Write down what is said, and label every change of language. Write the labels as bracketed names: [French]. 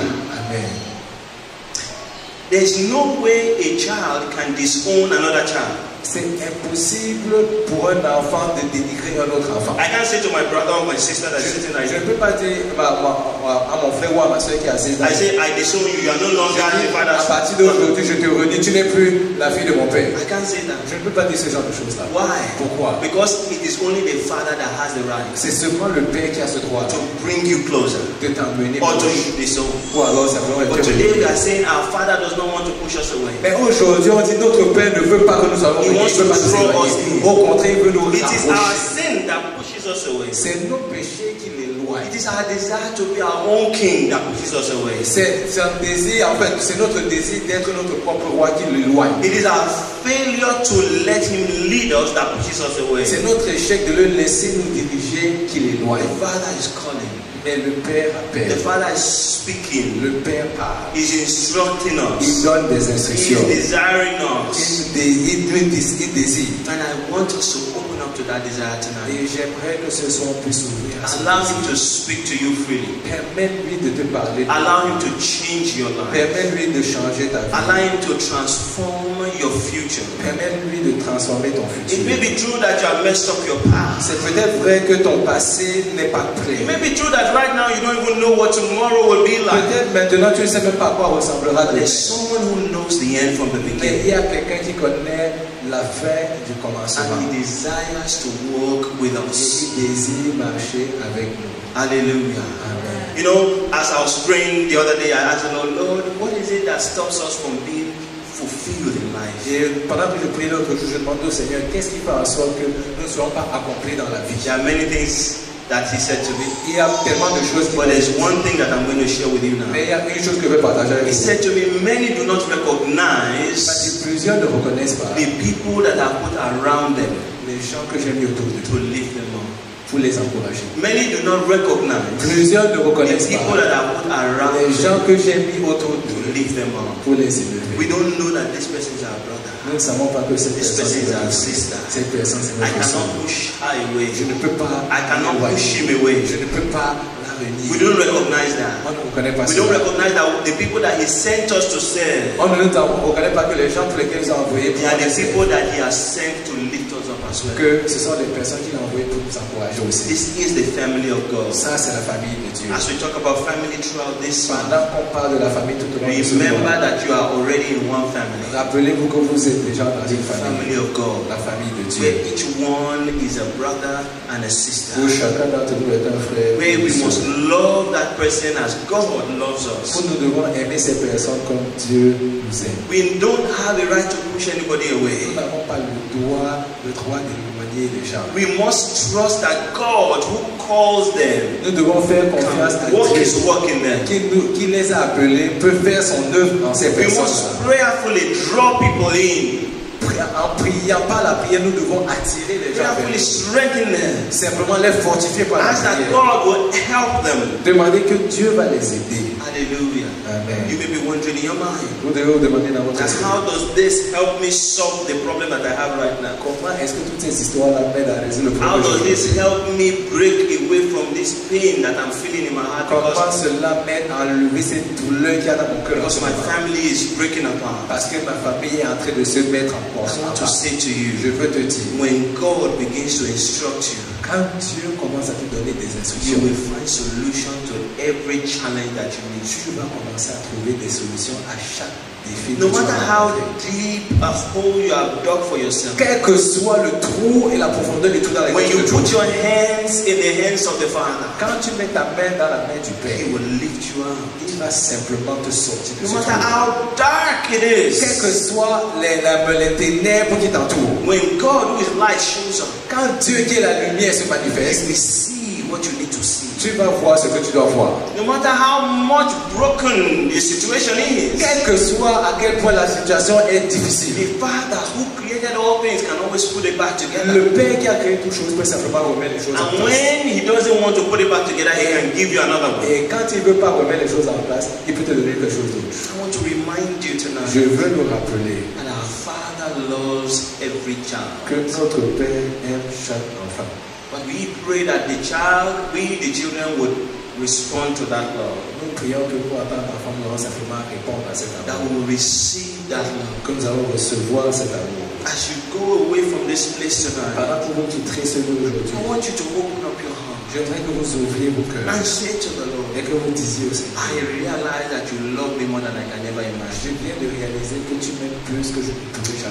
[English] Amen. There's no way a child can disown another child. [French] C'est impossible pour un enfant de dénigrer un autre enfant. [English] I can't say to my brother or my sister that sitting [French] like. Je ne peux pas dire à mon frère ou à ma soeur qui est assise là. [English] I say I disown you. You are no longer my father. [French] À partir d'aujourd'hui, je te redis, tu n'es plus la fille de mon père. [English] I can't say that. [French] Je ne peux pas dire ce genre de choses là. [English] Why? [French] Pourquoi? [English] Because it is only the father that has the right. [French] C'est seulement le père qui a ce droit [English] to bring you closer. [French] De t'amener. [English] Or to disown. [French] Ou alors simplement. [English] But today we are saying our father does not want to push us away. [French] Mais aujourd'hui, on dit notre père ne veut pas que nous allons. Au contraire, il veut nous [English] rapprocher. It is our sin that pushes us away. [French] C'est nos péchés qui l'éloignent. [English] It is our desire to be our own king that pushes us away. [French] C'est un désir, en fait, c'est notre désir d'être notre propre roi qui l'éloigne. [English] It is our failure to let him lead us that pushes us away. [French] C'est notre échec de le laisser nous diriger qui l'éloigne. [English] The Father is calling. [French] Mais le Père appelle. [English] The Father is speaking. [French] Le Père parle. [English] He's instructing us. [French] Il donne des instructions. [English] He's desiring us. [French] Il désire. [English] And I want us to open up to that desire tonight. [French] Et j'aimerais que ce soit possible. [English] Allow him to speak to you freely. [French] Permets-lui de te parler. [English] Allow him to change your life. [French] Permets-lui de changer ta vie. [English] Allow him to transform your future. [French] Permets-lui de transformer ton futur. [English] It may be true that you have messed up your past. [French] C'est peut-être vrai que ton passé n'est pas clair. [English] It may be true that right now you don't even know what tomorrow will be like. [French] Peut-être maintenant tu ne sais même pas quoi ressemblera demain. [English] There's someone who knows the end from the beginning. [French] Mais il y a quelqu'un qui connaît la fin du commencement. [English] And he desires to walk with us. [French] Et il désire marcher avec nous. Alléluia. [English] Amen. You know, as I was praying the other day, I asked the Lord, Lord, what is it that stops us from being fulfilled in life? [French] Et pendant que je priais l'autre jour, je demandais au Seigneur, qu'est-ce qui fait en sorte que nous ne soyons pas accomplis dans la vie? [English] There are many things that he said to me. [French] Il y a tellement de choses. [English] But there's one thing that I'm going to share with you now. [French] Mais il y a une chose que je vais partager avec vous. [English] He said to me, many do not recognize. [French] Plusieurs ne reconnaissent pas. [English] The people that I put around them. [French] Les gens que j'ai mis autour de [English] to lift them up. [French] Pour les encourager. [English] Many do not recognize. [French] Plusieurs ne reconnaissent [English] the people That I put around [French] les gens que j'ai mis autour de [English] to lift them up. [French] Pour les élever. [English] We don't know that this person is our brother. [French] Nous ne savons pas que cette [English] this [French] personne est notre sister. Cette personne est notre sœur. Je ne peux pas. [English] I cannot push him away. [French] Je ne peux pas. [English] We don't recognize that. [French] Pas [English] we Don't recognize that the people that he sent us to serve. [French] On ne reconnaît pas que les gens pour lesquels il a envoyé. [English] They are the people that he has sent to lift us up as well. [French] Que ce sont les personnes qu'il a envoyées pour nous encourager aussi. [English] This is the family of God. [French] Ça c'est la famille de Dieu. [English] As we talk about family throughout this, [French] pendant qu'on parle de la famille tout au long de ce [English] Remember that you are already in one family. [French] Rappelez-vous que vous êtes déjà dans une famille. [English] Family of God. [French] La famille de Dieu. [English] Where each one is a brother and a sister. [French] Où chacun d'entre nous est un frère. [English] Where we must love that person as God loves us. [French] Où nous devons aimer ces personnes comme Dieu nous aime. [English] We don't have the right to push anybody away. [French] Nous n'avons pas le droit de éloigner les gens. [English] We must trust that God who calls them. [French] Nous devons faire confiance à [English] work [French] Dieu. [English] His work in them. [French] Qui les a appelés peut faire son œuvre dans ces [English] we [French] personnes. [English] We must prayerfully draw people in. [French] en priant par la prière, nous devons attirer les gens. [English] Prayerfully strengthen them. [French] Simplement les fortifier par la prière. [English] Ask that God will help them. [French] Demandez que Dieu va les aider. Alléluia. [English] Amen. You may be wondering in your mind. [French] Vous devez vous demander dans votre esprit. [English] How does this help me solve the problem that I have right now? [French] Comment est-ce que toutes ces histoires m'aident à résoudre le problème? [English] How does this help me break away from this pain that I'm feeling in my heart? [French] Comment cela m'aide à enlever cette douleur qu'il y a dans mon cœur? [English] Because my family is breaking apart. [French] Parce que ma famille est en train de se mettre en porte. [English] I want to say to you, [French] je veux te dire, [English] when God begins to instruct you, [French] quand Dieu commence à te donner des instructions, [English] you will find solution to every challenge that you meet. [French] Tu vas commencer à trouver des solutions à chaque défi. [English] No matter how deep a hole you have dug for yourself, [French] quel que soit le trou et la profondeur du trou dans lequel tu te trouves, [English] when you put your hands in the hands of the Father, [French] quand tu mets ta main dans la main du Père, [English] He will lift you up. [French] Il va simplement te sortir. [English] No matter how dark it is, [French] quel que soit les ténèbres qui t'entourent, [English] when God, who is light, shows up, [French] quand Dieu qui est la lumière se manifeste, [English] you see what you need to see. [French] Tu vas voir ce que tu dois voir. [English] No matter how much broken the situation is, [French] quel que soit à quel point la situation est difficile, [English] the Father who created all things can always put it back together. [French] Le Père qui a créé toutes choses peut simplement remettre les choses [English] and [French] en place. [English] And when He doesn't want to put it back together, He can give you another one. [French] Et quand il veut pas remettre les choses en place, il peut te donner quelque chose d'autre. [English] I want to remind you tonight. [French] Je veux nous rappeler. [English] And our Father loves every child. [French] Que notre Père aime chaque enfant. [English] But we pray that the child, we the children, would respond to that love. That we will receive that love. [French] Nous allons recevoir cet amour. [English] As you go away from this place tonight, I want you to open up your heart. [French] J'aimerais que vous ouvriez vos cœurs. [English] And say to the Lord, [French] et que vous disiez aussi, [English] I realize that you love me more than I can ever imagine. [French] Je viens de réaliser que tu m'aimes plus que je ne pouvais jamais.